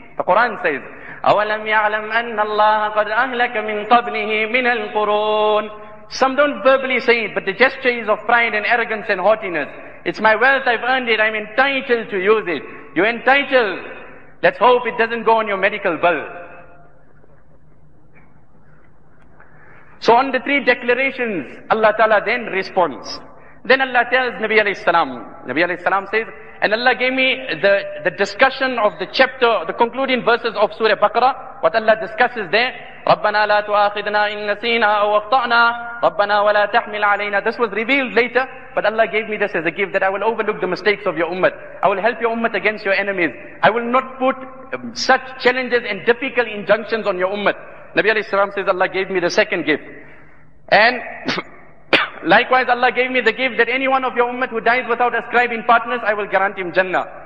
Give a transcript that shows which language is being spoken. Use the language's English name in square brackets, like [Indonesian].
[English] The Quran says, [Arabic] أَوَلَمْ يَعْلَمْ أَنَّ اللَّهَ قَدْ أَهْلَكَ مِنْ قَبْلِهِ مِنَ الْقُرُونَ. [English] Some don't verbally say it, but the gesture is of pride and arrogance and haughtiness. It's my wealth, I've earned it, I'm entitled to use it. You're entitled. Let's hope it doesn't go on your medical bill. So on the three declarations, Allah Ta'ala then responds. Then Allah tells Nabi alayhi salam. Nabi alayhi salam says, and Allah gave me the discussion of the chapter, the concluding verses of Surah Baqarah. What Allah discusses there, [Arabic] رَبَّنَا لَا تُؤَاخِذْنَا إِن نَسِينَا أَوْ أَخْطَأْنَا رَبَّنَا وَلَا تَحْمِلْ عَلَيْنَا. [English] This was revealed later, but Allah gave me this as a gift, that I will overlook the mistakes of your ummah. I will help your ummah against your enemies. I will not put such challenges and difficult injunctions on your ummah. Nabi alayhi salam says, Allah gave me the second gift. And likewise, Allah gave me the gift that any one of your ummah who dies without ascribing partners, I will grant him Jannah.